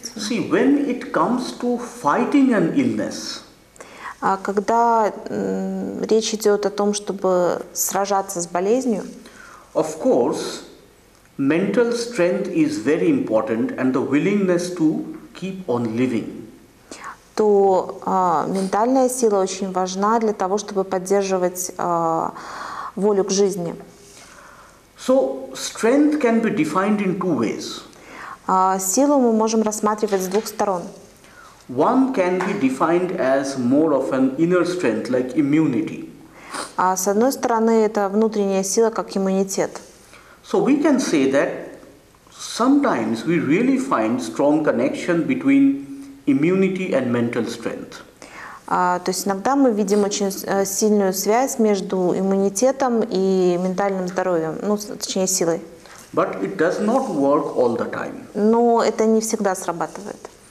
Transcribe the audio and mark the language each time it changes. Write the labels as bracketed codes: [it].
[en] See, when it comes to fighting an illness, [ru] А когда речь идет о том, чтобы сражаться с болезнью? [en] Of course, mental strength is very important and the willingness to keep on living. [ru] То ментальная сила очень важна для того, чтобы поддерживать волю к жизни. [en] So strength can be defined in two ways. [ru] Силу мы можем рассматривать с двух сторон. [en] One can be defined as more of an inner strength, like immunity. [ru] С одной стороны, это внутренняя сила, как иммунитет. [en] So we can say that sometimes we really find strong connection between immunity and mental strength. [ru] То есть иногда мы видим очень сильную связь между иммунитетом и ментальным здоровьем, ну, точнее, силой. [en] But it does not work all the time. [ru] Но это не всегда срабатывает.